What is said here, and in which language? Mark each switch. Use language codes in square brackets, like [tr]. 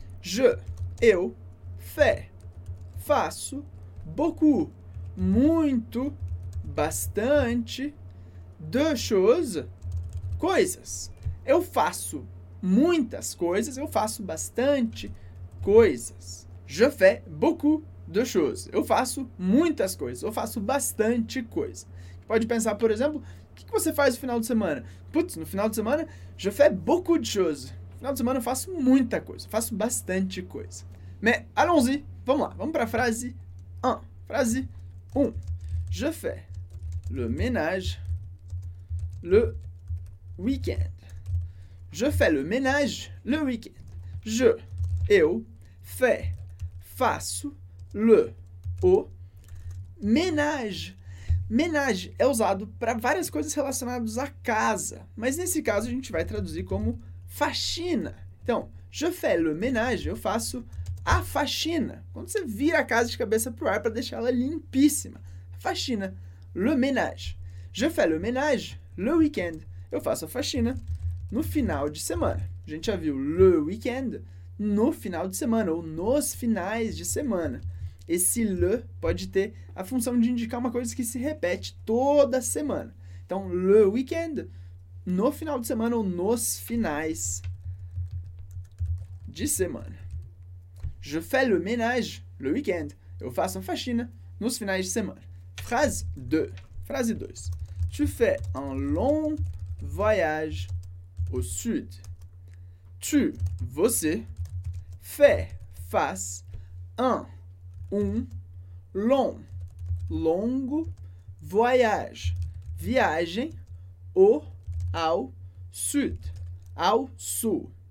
[fr] Je, [pt] eu, [fr] fais, [pt] faço, [fr] beaucoup, [pt] muito, bastante, [fr] de choses, [pt] coisas. Eu faço muitas coisas, eu faço bastante coisas. [fr] Je fais beaucoup de choses. [pt] Eu faço muitas coisas, eu faço bastante coisa. Pode pensar, por exemplo, o que você faz no final de semana? Putz, no final de semana, [fr] je fais beaucoup de choses. [pt] No final de semana eu faço muita coisa, eu faço bastante coisa. [fr] Mais allons-y, [pt] vamos lá, vamos para a frase 1. Frase 1. [fr] Je fais le ménage le week-end. Je fais le ménage le week-end. Je, [pt] eu, [fr] fais, [pt] faço, [fr] le, [pt] o, [fr] ménage. [pt] Ménage é usado para várias coisas relacionadas à casa, mas nesse caso a gente vai traduzir como faxina. Então, [fr] je fais le ménage, [pt] eu faço a faxina. Quando você vira a casa de cabeça para o ar para deixar ela limpíssima. Faxina, le ménage. [fr] Je fais le ménage le week-end, [pt] eu faço a faxina no final de semana. A gente já viu le weekend no final de semana, ou nos finais de semana. Esse le pode ter a função de indicar uma coisa que se repete toda semana. Então, le weekend, no final de semana, ou nos finais de semana. [fr] Je fais le ménage le weekend. [pt] Eu faço a faxina nos finais de semana. [fr] Phrase 2. [pt] Frase 2. [fr] Tu fais un long voyage au sud. Tu, [pt] você, [fr] fait, [pt] faz, [fr] un long, [pt] longo, [fr] voyage, [pt] viagem, ao [fr] sud, [pt] ao sul.